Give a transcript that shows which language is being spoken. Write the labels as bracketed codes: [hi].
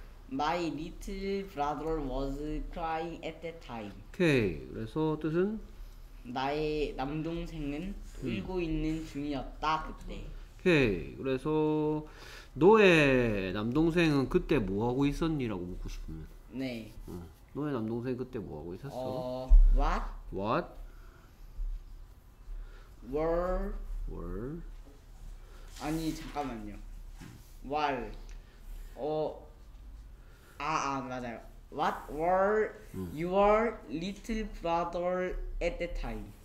[en] My little brother was crying at that time. [ko] 오케이, 그래서 뜻은 나의 남동생은 울고 있는 중이었다, 그때. 오케이, 그래서 너의 남동생은 그때 뭐 하고 있었니라고 묻고 싶으면 네. 너의 남동생 그때 뭐 하고 있었어? [en] What What? were were? [ko] 아니 잠깐만요. 왈어아아 맞아요. [en] What were your little brother at the time?